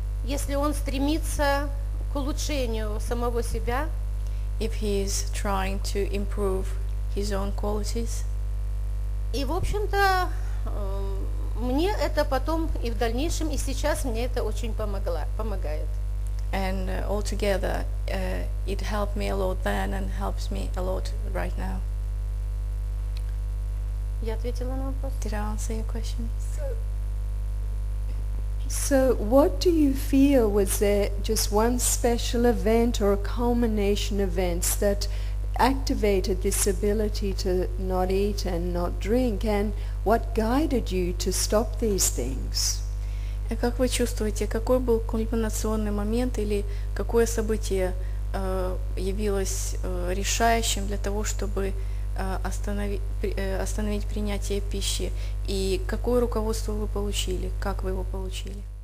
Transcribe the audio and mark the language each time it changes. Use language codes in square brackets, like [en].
[ru] Если он стремится к улучшению самого себя. [en] If he is trying to improve his own qualities. [ru] И в общем-то. Мне это потом и в дальнейшем, и сейчас мне это очень помогает. [en] And altogether, it helped me a lot then and helps me a lot right now. [ru] Я ответила на вопрос? [en] Did I answer your question? So what do you feel, was there just one special event or a culmination events that activated this ability to not eat and not drink, and what guided you to stop these things? [ru] Как вы чувствуете, какой был кульминационный момент или какое событие явилось решающим для того, чтобы остановить принятие пищи, и какое руководство вы получили, как вы его получили?